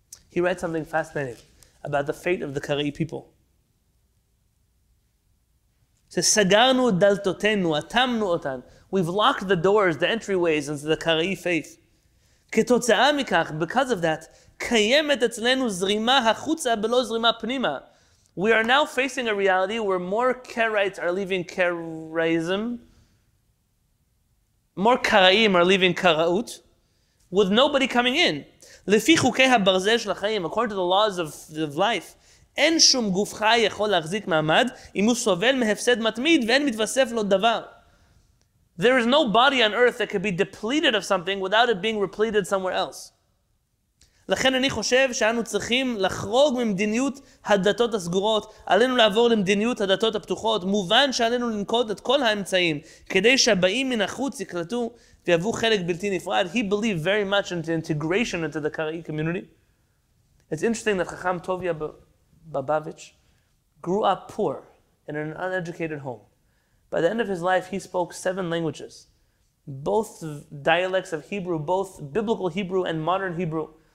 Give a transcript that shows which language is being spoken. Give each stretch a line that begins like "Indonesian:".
English: He writes something fascinating about the fate of the Kara'i people. He says,
Hebrew: "Sagarnu daltotenu, atamnu otan."
English: We've locked the doors, the entryways into the Kara'i faith.
Hebrew: Ketotza'a mikach,
English: because of that,
Hebrew: קיימת אצלנו זרימה החוצה ולא זרימה פנימה.
English: We are now facing a reality where more Karaites are leaving Karaism, more Karaim are leaving Karaut, with nobody coming in.
Hebrew: לפי חוקי הברזל של החיים,
English: according to the laws of life,
Hebrew: אין שום גופך יכול להחזיק מעמד אם הוא סובל מהפסד מתמיד ואין מתווסף לו דבר.
English: There is no body on earth that could be depleted of something without it being repleted somewhere else.
Hebrew: לכן אני חושב שאנו צריכים לחרוג ממדיניות הדתות הסגורות, עלינו לעבור למדיניות הדתות הפתוחות, מובן שעלינו לנקוט את כל האמצעים, כדי שהבאים מן החוץ יקלטו ויבואו חלק בלתי נפרד.
English: He believed very much in the integration into the Kara'i community. It's interesting that Chacham Tovia Babavitch grew up poor in an uneducated home. By the end of his life, he spoke 7 languages, both dialects of Hebrew, both biblical Hebrew and modern Hebrew.